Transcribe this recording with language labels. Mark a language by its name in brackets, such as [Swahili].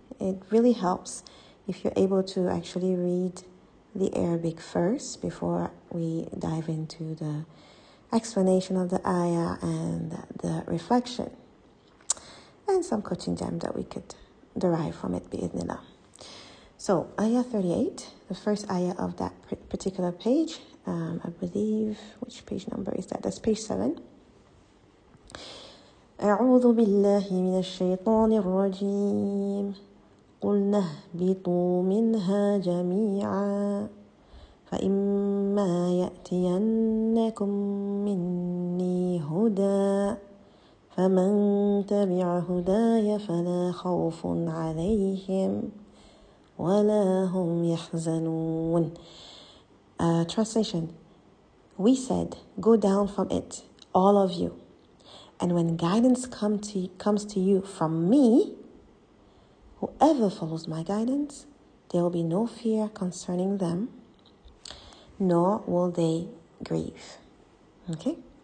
[English] It really helps if you're able to actually read the Arabic first before we dive into the explanation of the Ayah and the reflection and some coaching gem that we could derive from it, bi'idhnillah. So Ayah 38, the first Ayah of that particular page, I believe, which page number is that? That's page 7. [Arabic] أعوذ بالله من الشيطان الرجيم قل نهبطوا منها جميعا فإما يأتينكم مني هدى فمن تبع هداي فلا خوف عليهم ولا هم يحزنون. [English] Translation, we said, go down from it, all of you. And when guidance comes to you from me, whoever follows my guidance, there will be no fear concerning them, nor will they grieve. Okay?